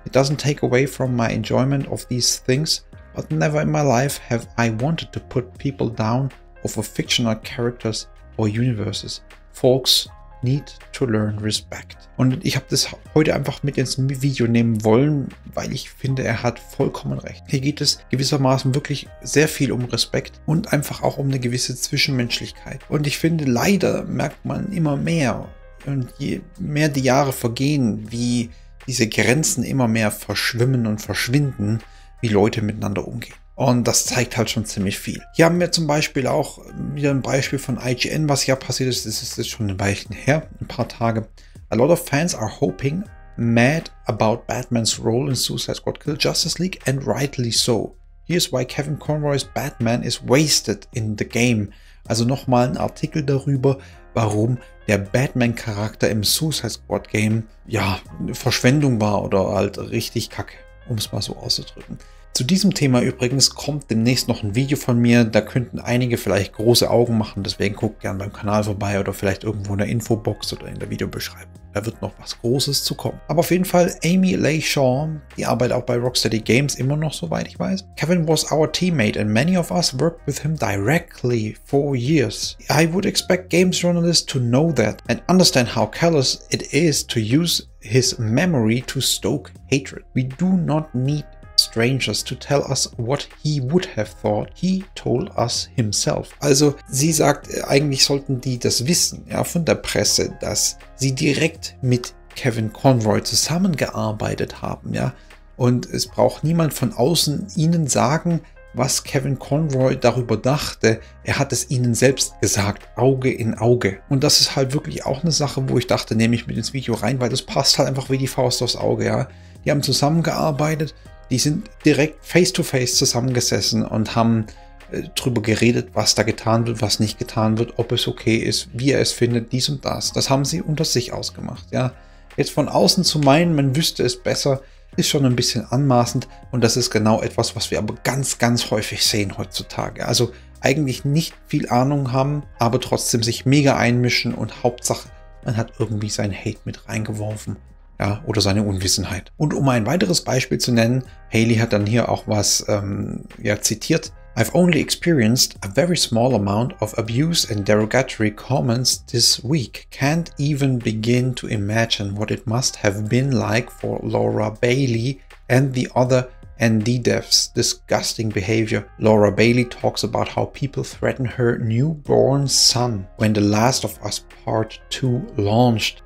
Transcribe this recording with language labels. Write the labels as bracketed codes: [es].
[en] It doesn't take away from my enjoyment of these things, but never in my life have I wanted to put people down over fictional characters or universes. Folks need to learn respect. [de] Und ich habe das heute einfach mit ins Video nehmen wollen, weil ich finde, er hat vollkommen recht. Hier geht es gewissermaßen wirklich sehr viel um Respekt und einfach auch um eine gewisse Zwischenmenschlichkeit. Und ich finde, leider merkt man immer mehr und je mehr die Jahre vergehen, wie diese Grenzen immer mehr verschwimmen und verschwinden, wie Leute miteinander umgehen. Und das zeigt halt schon ziemlich viel. Hier haben wir zum Beispiel auch wieder ein Beispiel von IGN, was ja passiert ist. Das ist jetzt schon ein Weilchen her, ein paar Tage. [en] A lot of fans are hoping mad about Batman's role in Suicide Squad Kill Justice League and rightly so. Here's why Kevin Conroy's Batman is wasted in the game. [de] Also nochmal ein Artikel darüber, warum der Batman-Charakter im Suicide Squad Game ja Verschwendung war oder halt richtig kacke, um es mal so auszudrücken. Zu diesem Thema übrigens kommt demnächst noch ein Video von mir. Da könnten einige vielleicht große Augen machen. Deswegen guckt gerne beim Kanal vorbei oder vielleicht irgendwo in der Infobox oder in der Videobeschreibung. Da wird noch was Großes zu kommen. Aber auf jeden Fall Amy Leigh Shaw, die arbeitet auch bei Rocksteady Games immer noch, soweit ich weiß. [en] Kevin was our teammate and many of us worked with him directly for years. I would expect games journalists to know that and understand how callous it is to use his memory to stoke hatred. We do not need strangers to tell us what he would have thought he told us himself. [de] Also sie sagt, eigentlich sollten die das wissen, ja, von der Presse, dass sie direkt mit Kevin Conroy zusammengearbeitet haben, ja, und es braucht niemand von außen ihnen sagen, was Kevin Conroy darüber dachte. Er hat es ihnen selbst gesagt, Auge in Auge. Und das ist halt wirklich auch eine Sache, wo ich dachte, nehme ich mit ins Video rein, weil das passt halt einfach wie die Faust aufs Auge, ja. Die haben zusammengearbeitet. Die sind direkt face-to-face zusammengesessen und haben drüber geredet, was da getan wird, was nicht getan wird, ob es okay ist, wie er es findet, dies und das. Das haben sie unter sich ausgemacht. Ja, jetzt von außen zu meinen, man wüsste es besser, ist schon ein bisschen anmaßend. Und das ist genau etwas, was wir aber ganz, ganz häufig sehen heutzutage. Also eigentlich nicht viel Ahnung haben, aber trotzdem sich mega einmischen. Und Hauptsache, man hat irgendwie seinen Hate mit reingeworfen. Ja, oder seine Unwissenheit. Und um ein weiteres Beispiel zu nennen, Hayley hat dann hier auch was zitiert. [en] I've only experienced a very small amount of abuse and derogatory comments this week. Can't even begin to imagine what it must have been like for Laura Bailey and the other ND devs. Disgusting behavior. Laura Bailey talks about how people threaten her newborn son when The Last of Us Part 2 launched.